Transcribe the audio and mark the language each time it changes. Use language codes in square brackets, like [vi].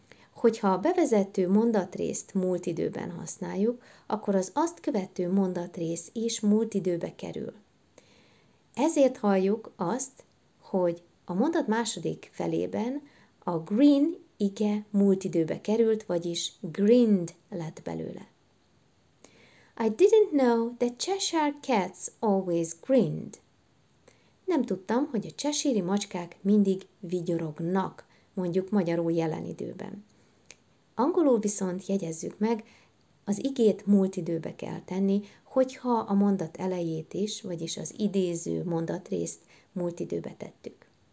[hu] Hogyha a bevezető mondatrészt múlt időben használjuk, akkor az azt követő mondatrész is múlt időbe kerül. Ezért halljuk azt, hogy a mondat második felében a green ige múlt időbe került, vagyis grinned lett belőle. [en] I didn't know that Cheshire cats always grinned. [hu] Nem tudtam, hogy a cheshire-i macskák mindig vigyorognak, mondjuk magyarul jelen időben. Angolul viszont jegyezzük meg, az igét múlt időbe kell tenni, hogyha a mondat elejét is, vagyis az idéző mondatrészt múlt időbe tettük.